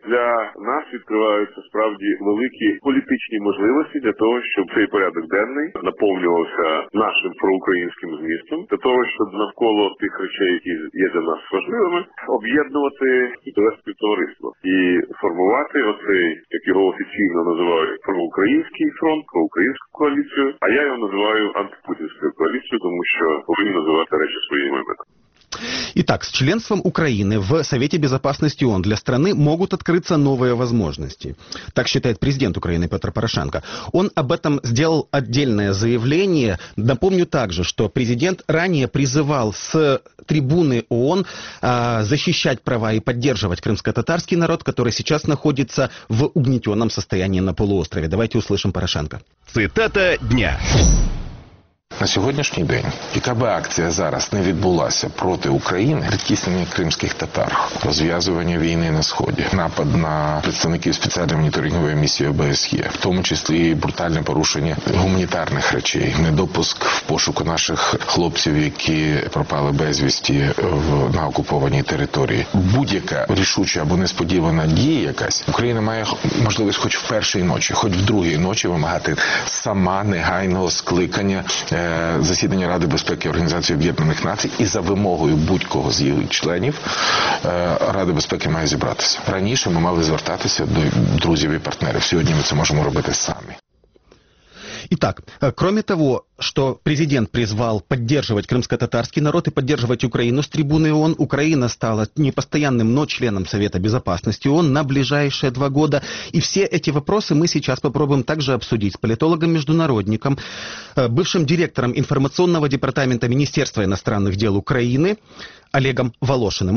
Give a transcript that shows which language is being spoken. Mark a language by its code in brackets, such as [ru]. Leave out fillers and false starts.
[uk] Для нас відкриваються справді великі політичні можливості для того, щоб цей порядок денний наповнювався нашим проукраїнським змістом, для того, щоб навколо тих речей, які є для нас важливими, об'єднувати і довести товариство. І формувати оцей, як його офіційно називають, проукраїнський фронт, проукраїнську коаліцію, а я його називаю антипутінською коаліцією, тому що повинні називати речі своїми іменами. [ru] Итак, с членством Украины в Совете Безопасности ООН для страны могут открыться новые возможности. Так считает президент Украины Петр Порошенко. Он об этом сделал отдельное заявление. Напомню также, что президент ранее призывал с трибуны ООН защищать права и поддерживать крымско-татарский народ, который сейчас находится в угнетенном состоянии на полуострове. Давайте услышим Порошенко. Цитата дня. [uk] На сьогоднішній день, яка би акція зараз не відбулася проти України, притіснення кримських татар, розв'язування війни на Сході, напад на представників спеціальної моніторингової місії ОБСЄ, в тому числі брутальне порушення гуманітарних речей, недопуск в пошуку наших хлопців, які пропали безвісті на окупованій території. Будь-яка рішуча або несподівана дія якась, Україна має можливість хоч в першій ночі, хоч в другій ночі вимагати сама негайного скликання засідання Ради безпеки Організації Об'єднаних Націй і за вимогою будь-кого з її членів Ради безпеки має зібратися. Раніше ми мали звертатися до друзів і партнерів. Сьогодні ми це можемо робити самі. [ru] І так, кроме того, что президент призвал поддерживать крымско-татарский народ и поддерживать Украину с трибуны ООН. Украина стала не постоянным, но членом Совета Безопасности ООН на ближайшие 2 года. И все эти вопросы мы сейчас попробуем также обсудить с политологом-международником, бывшим директором информационного департамента Министерства иностранных дел Украины Олегом Волошиным.